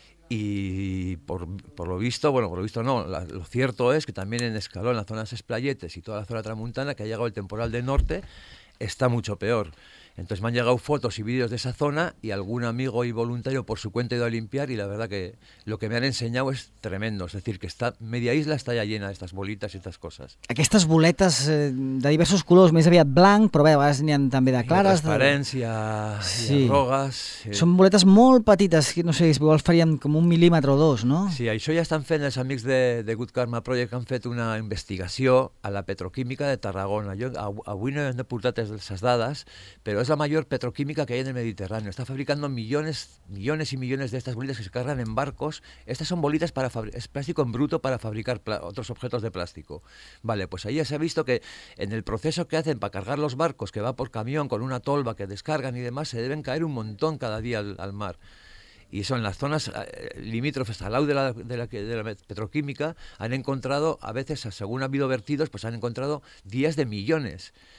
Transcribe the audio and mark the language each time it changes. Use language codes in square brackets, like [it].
[es] Y por lo visto, bueno, por lo visto no, lo cierto es que también en Escalón, en las zonas Esplayetes y toda la zona tramuntana, que ha llegado el temporal de norte, está mucho peor. Entonces me han llegado fotos y vídeos de esa zona y algún amigo y voluntario por su cuenta ha ido a limpiar y la verdad que lo que me han enseñado es tremendo. Es decir, que está media isla está ya llena de estas bolitas y estas cosas. [ca] Aquestes boletes de diversos colors, més aviat blanc, però bé, a vegades n'hi ha també de clares. I de transparència, sí. I de rogues. Sí. Són boletes molt petites, que no sé, potser farien com un mil·límetre o dos, no? Sí, això ja estan fent els amics de Good Karma Project, que han fet una investigació a la petroquímica de Tarragona. Jo avui no he portat les dades, però és la major petroquímica que hi ha en el Mediterrani. Està fabricant milions, milions i milions d'aquestes bolites que es carreguen en barcos. Aquestes són bolites, és plàstic en bruto per fabricar altres objectes de plàstic. [es] Vale, pues ahí ya se ha visto que en el proceso que hacen para cargar los barcos, que va por camión con una tolva que descargan y demás, se deben caer un montón cada día al mar. Y eso en las zonas limítrofes, al lado de la petroquímica, han encontrado, a veces, según ha habido vertidos, pues han encontrado días de millones.